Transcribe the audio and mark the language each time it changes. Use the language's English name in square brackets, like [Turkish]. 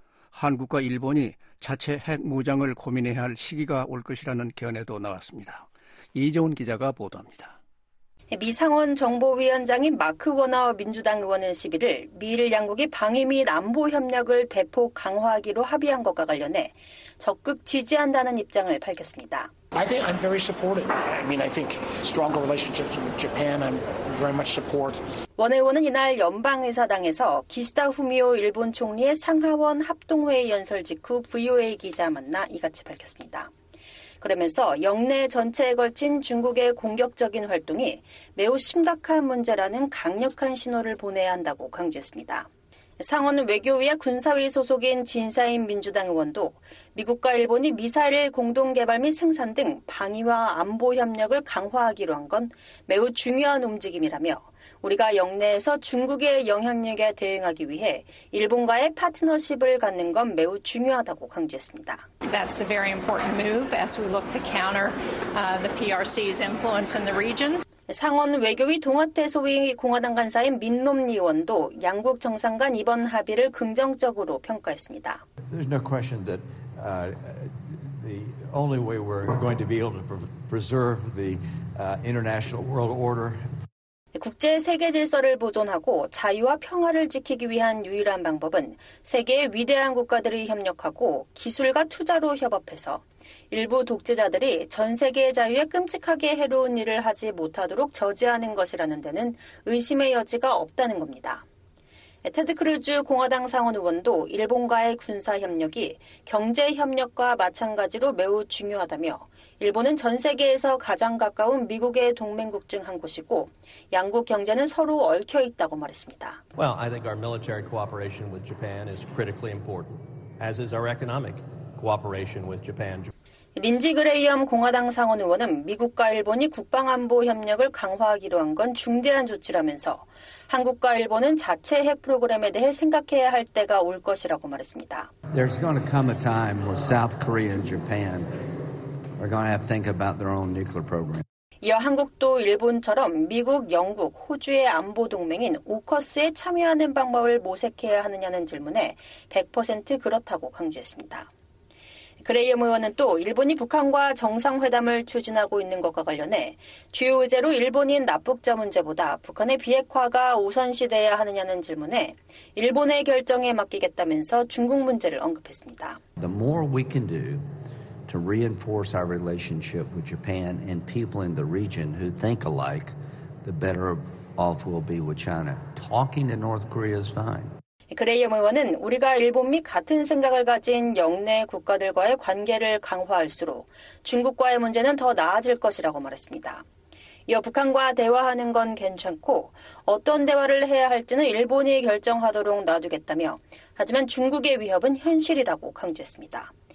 [Korean] 한국과 일본이 자체 핵 무장을 고민해야 할 시기가 올 것이라는 견해도 나왔습니다. 이재훈 기자가 보도합니다. 미 상원 정보위원장인 마크 워너 민주당 의원은 11일 미일 양국이 방위 및 안보 협력을 대폭 강화하기로 합의한 것과 관련해 적극 지지한다는 입장을 밝혔습니다. [English] I think I'm very supportive. I mean, I think stronger relationships with Japan, I'm very much support. [Korean] 원 의원은 이날 연방의사당에서 기시다 후미오 일본 총리의 상하원 합동회의 연설 직후 VOA 기자 만나 이같이 밝혔습니다. 그러면서 역내 전체에 걸친 중국의 공격적인 활동이 매우 심각한 문제라는 강력한 신호를 보내야 한다고 강조했습니다. 상원 외교위와 군사위 소속인 진사인 민주당 의원도 미국과 일본이 미사일 공동 개발 및 생산 등 방위와 안보 협력을 강화하기로 한 건 매우 중요한 움직임이라며 우리가 역내에서 중국의 영향력에 대응하기 위해 일본과의 파트너십을 갖는 건 매우 중요하다고 강조했습니다. [English] That's a very important move as we look to counter the PRC's influence in the region. [Korean] 상원 외교위 동아태 소위 공화당 간사인 민롬니 의원도 양국 정상 간 이번 합의를 긍정적으로 평가했습니다. [English] There's no question that the only way we're going to be able to preserve the international world order [Korean] 국제 세계 질서를 보존하고 자유와 평화를 지키기 위한 유일한 방법은 세계의 위대한 국가들이 협력하고 기술과 투자로 협업해서 일부 독재자들이 전 세계의 자유에 끔찍하게 해로운 일을 하지 못하도록 저지하는 것이라는 데는 의심의 여지가 없다는 겁니다. 테드 크루즈 공화당 상원 의원도 일본과의 군사협력이 경제협력과 마찬가지로 매우 중요하다며 일본은 전 세계에서 가장 가까운 미국의 동맹국 중 한 곳이고 양국 경제는 서로 얽혀 있다고 말했습니다. [English] Well, I think our military cooperation with Japan is critically important, as is our economic cooperation with Japan. [Korean] 린지 그레이엄 공화당 상원 의원은 미국과 일본이 국방안보 협력을 강화하기로 한 건 중대한 조치라면서 한국과 일본은 자체 핵 프로그램에 대해 생각해야 할 때가 올 것이라고 말했습니다. [English] There's going to come a time where South Korea and Japan are going to have to think about their own nuclear program. [Korean] 이어 한국도 일본처럼 미국, 영국, 호주의 안보 동맹인 오커스에 참여하는 방법을 모색해야 하느냐는 질문에 100% 그렇다고 강조했습니다. 그레이엄 의원은 또 일본이 북한과 정상회담을 추진하고 있는 것과 관련해 주요 의제로 일본인 납북자 문제보다 북한의 비핵화가 우선시돼야 하느냐는 질문에 일본의 결정에 맡기겠다면서 중국 문제를 언급했습니다. [English] The more we can do to reinforce our relationship with Japan and people in the region who think alike, the better off we'll be with China. Talking to North Korea is fine. [Korean] 그레이엄 의원은 우리가 일본 및 같은 생각을 가진 영내 국가들과의 관계를 강화할수록 중국과의 문제는 더 나아질 것이라고 말했습니다. 이어 북한과 대화하는 건 괜찮고 어떤 대화를 해야 할지는 일본이 결정하도록 놔두겠다며 하지만 중국의 위협은 현실이라고 강조했습니다.